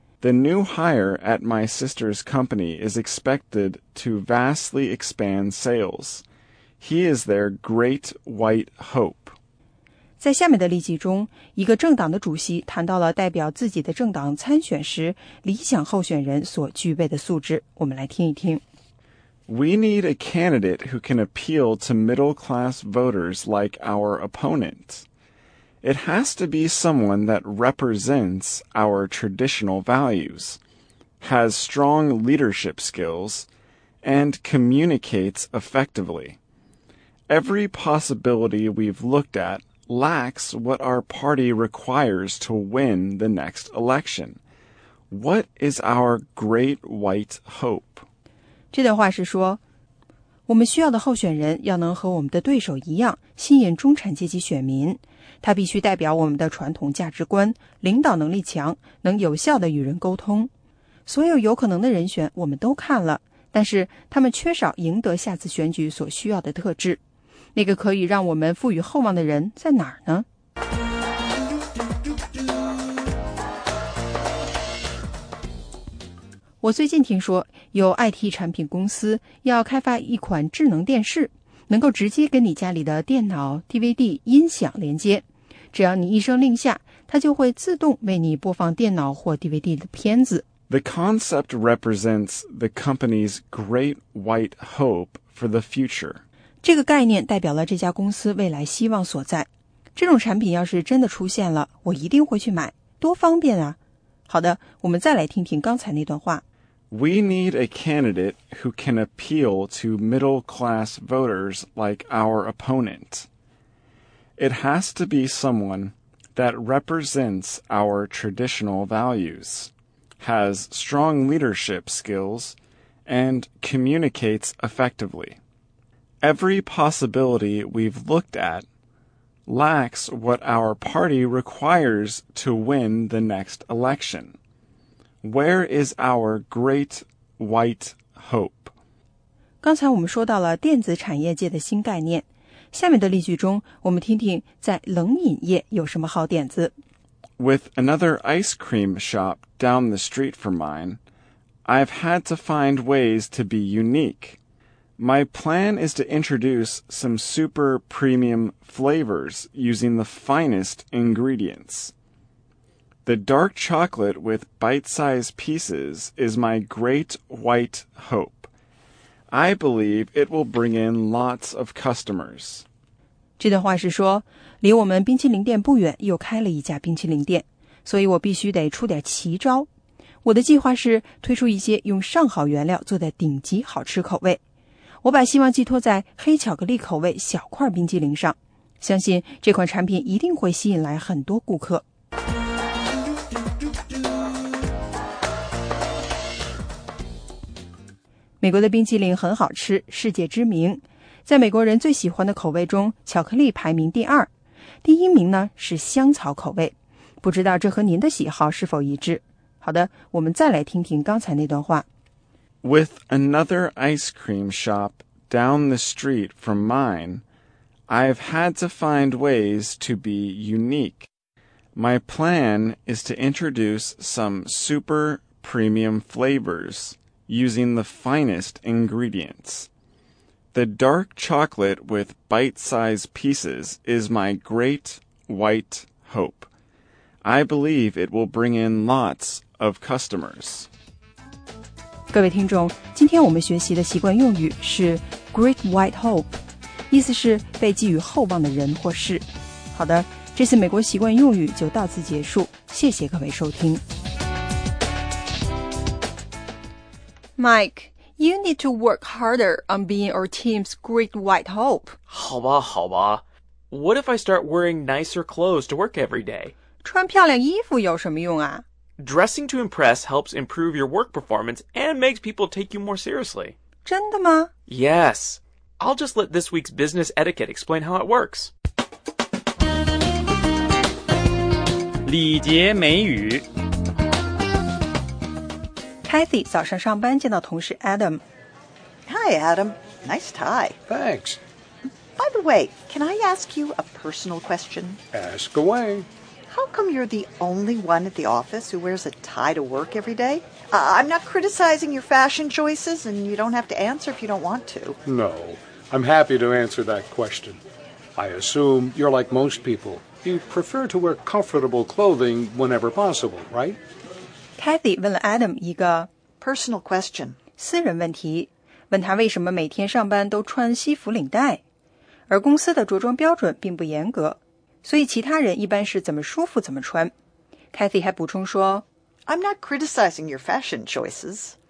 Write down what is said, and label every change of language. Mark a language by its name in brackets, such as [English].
[English] The new hire at my sister's company is expected to vastly expand sales. He is their great white hope. [Chinese] 在下面的例子中，一个政党的主席谈到了代表自己的政党参选时理想候选人所具备的素质。我们来听一听。 [English] We need a candidate who can appeal to middle-class voters like our opponent. It has to be someone that represents our traditional values, has strong leadership skills, and communicates effectively. Every possibility we've looked at lacks what our party requires to win the next election. What is our great white hope? [Chinese] 这段话是说，我们需要的候选人要能和我们的对手一样，吸引中产阶级选民。他必须代表我们的传统价值观，领导能力强，能有效地与人沟通。所有有可能的人选我们都看了，但是他们缺少赢得下次选举所需要的特质。那个可以让我们赋予厚望的人在哪儿呢？我最近听说有 IT 产品公司要开发一款智能电视，能够直接跟你家里的电脑、DVD、音响连接，只要你一声令下，它就会自动为你播放电脑或 DVD 的片子。 [English] The concept represents the company's great white hope for the future. [Chinese] 这个概念代表了这家公司未来希望所在。这种产品要是真的出现了，我一定会去买，多方便啊。好的，我们再来听听刚才那段话。 [English] We need a candidate who can appeal to middle-class voters like our opponent. It has to be someone that represents our traditional values, has strong leadership skills, and communicates effectively. Every possibility we've looked at lacks what our party requires to win the next election. Where is our great white hope? [Chinese] 刚才我们说到了电子产业界的新概念。下面的例句中，我们听听在冷饮业有什么好点子。 [English] With another ice cream shop down the street from mine, I've had to find ways to be unique. My plan is to introduce some super premium flavors using the finest ingredients. The dark chocolate with bite-sized pieces is my great white hope. I believe it will bring in lots of customers. [Chinese] 这段话是说，离我们冰淇淋店不远又开了一家冰淇淋店，所以我必须得出点奇招。我的计划是推出一些用上好原料做的顶级好吃口味。我把希望寄托在黑巧克力口味小块冰淇淋上，相信这款产品一定会吸引来很多顾客。美国的冰淇淋很好吃，世界知名。在美国人最喜欢的口味中，巧克力排名第二，第一名呢是香草口味。不知道这和您的喜好是否一致？好的，我们再来听听刚才那段话。 [English] With another ice cream shop down the street from mine, I've had to find ways to be unique. My plan is to introduce some super premium flavors using the finest ingredients. The dark chocolate with bite-sized pieces is my great white hope. I believe it will bring in lots of customers. [Chinese] 各位听众，今天我们学习的习惯用语是 [English] great white hope， [Chinese] 意思是被寄予厚望的人或事。好的，这次美国习惯用语就到此结束，谢谢各位收听。 [English] Mike, you need to work harder on being our team's great white hope. [Chinese] 好吧，好吧。 [English] What if I start wearing nicer clothes to work every day? [Chinese] 穿漂亮衣服有什么用啊？ [English] Dressing to impress helps improve your work performance and makes people take you more seriously. [Chinese] 真的吗？ [English] Yes. I'll just let this week's business etiquette explain how it works. [Chinese] 礼节美语。 Kathy 早上上班见到同事 Adam. [English] Hi, Adam. Nice tie. Thanks. By the way, can I ask you a personal question? Ask away. How come you're the only one at the office who wears a tie to work every day? I'm not criticizing your fashion choices, and you don't have to answer if you don't want to. No, I'm happy to answer that question. I assume you're like most people. You prefer to wear comfortable clothing whenever possible, right? [Chinese] Kathy 问了 Adam 一个 [English] personal question, [Chinese] 私人问题，问他为什么每天上班都穿西服领带，而公司的着装标准并不严格，所以其他人一般是怎么舒服怎么穿。 Kathy 还补充说 [English] I'm not criticizing your fashion choices.